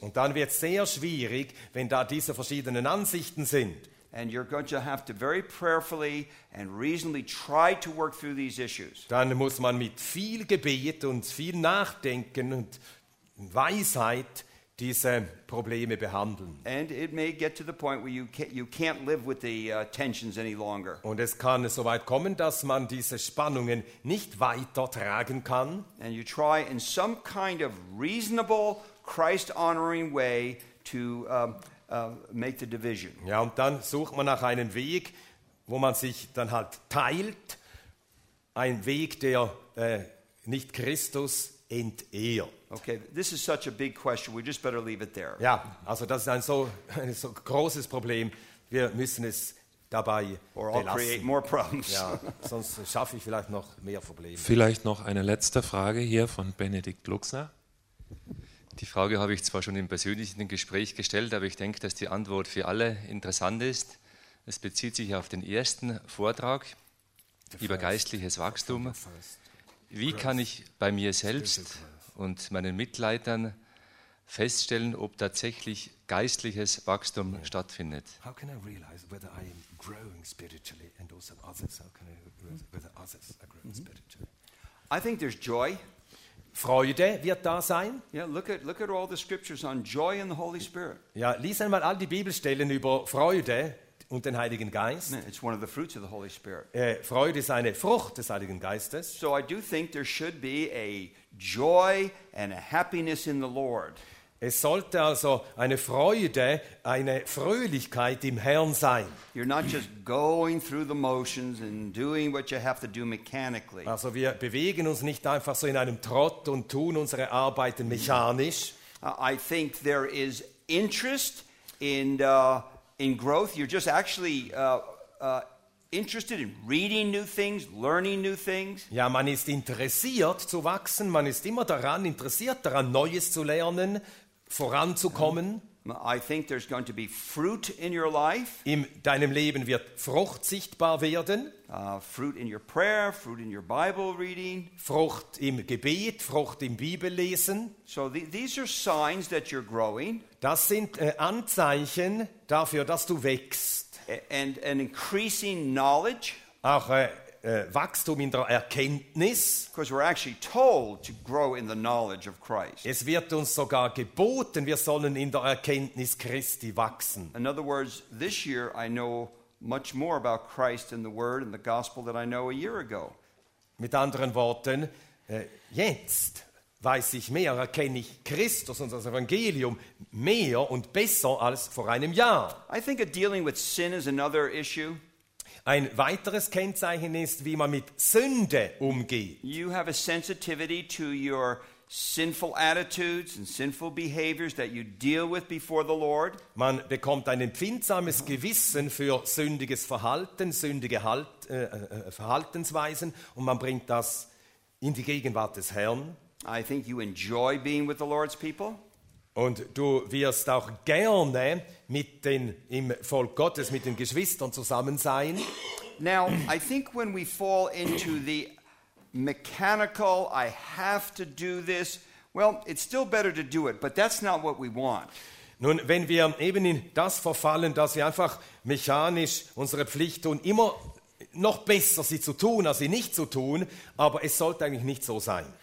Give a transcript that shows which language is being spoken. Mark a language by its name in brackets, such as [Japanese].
[German] Und dann wird es sehr schwierig, wenn da diese verschiedenen Ansichten sind. [English] And you're going to have to very prayerfully and reasonably try to work through these issues. [German] Dann muss man mit viel Gebet und viel Nachdenken und Weisheit diese Probleme behandeln. [English] And it may get to the point where you can't live with the tensions any longer. [German] Und es kann so weit kommen, dass man diese Spannungen nicht weiter tragen kann. [English] And you try in some kind of reasonable, Christ-honoring way to make the division. [German] Ja, und dann sucht man nach einem Weg, wo man sich dann halt teilt, ein Weg, der nicht Christus entehrt. [English] Okay, this is such a big question. We just better leave it there. [German] Ja, also das ist ein so großes Problem. Wir müssen es dabei [English] or [German] belassen. [English] I'll create more problems. [German] Ja, sonst schaffe ich vielleicht noch mehr Probleme. Vielleicht noch eine letzte Frage hier von Benedikt Luxner. Die Frage habe ich zwar schon im persönlichen Gespräch gestellt, aber ich denke, dass die Antwort für alle interessant ist. Es bezieht sich auf den ersten Vortrag über geistliches Wachstum. Wie kann ich bei mir selbst und meinen Mitleitern feststellen, ob tatsächlich geistliches Wachstum stattfindet? [English] How can I realize whether I am growing spiritually and also others? How can I realize whether others are growing spiritually? I think there's joy. [German] Freude wird da sein. [English] Yeah, look at all the scriptures on joy and the Holy Spirit. [German] Ja, lies einmal all die Bibelstellen über Freude und den Heiligen Geist. [English] It's one of the fruits of the Holy Spirit. [German] Freude ist eine Frucht des Heiligen Geistes. [English] So I do think there should be a joy and a happiness in the Lord. [German] Es sollte also eine Freude, eine Fröhlichkeit im Herrn sein. [English] You're not just going through the motions and doing what you have to do mechanically. [German] Also wir bewegen uns nicht einfach so in einem Trott und tun unsere Arbeiten mechanisch. [English] I think there is interest in growth. You're just actually interested in reading new things, learning new things. [German] Ja, man ist interessiert zu wachsen. Man ist immer daran interessiert, daran Neues zu lernen, voranzukommen. [English] I think there's going to be fruit in your life. [German] In deinem Leben wird Frucht sichtbar werden. [English] Fruit in your prayer, fruit in your Bible reading. [German] Frucht im Gebet, Frucht im Bibellesen. [English] So these are signs that you're growing. [German] Das sind Anzeichen dafür, dass du wächst. [English] And an increasing knowledge. [German] Auch Wachstum in der Erkenntnis. [English] Because we're actually told to grow in the knowledge of Christ. [German] Es wird uns sogar geboten, wir sollen in der Erkenntnis Christi wachsen. [English] In other words, this year I know much more about Christ and the Word and the Gospel than I know a year ago. [German] Mit anderen Worten, jetzt weiß ich mehr, erkenne ich Christus und das Evangelium mehr und besser als vor einem Jahr. [English] I think a dealing with sin is another issue. [German] Ein weiteres Kennzeichen ist, wie man mit Sünde umgeht. [English] You have a sensitivity to your sinful attitudes and sinful behaviors that you deal with before the Lord. [German] Man bekommt ein empfindsames Gewissen für sündiges Verhalten, sündige Verhaltensweisen, und man bringt das in die Gegenwart des Herrn. [English] I think you enjoy being with the Lord's people. [German] Und du wirst auch gerne mit den im Volk Gottes, mit den Geschwistern zusammen sein. [English] Now, I think when we fall into the mechanical, I have to do this. Well, it's still better to do it, but that's not what we want. [German] Nun, wenn wir eben in das verfallen, dass wir einfach mechanisch unsere Pflicht tun, immer noch besser sie zu tun, als sie nicht zu tun, aber es sollte eigentlich nicht so sein.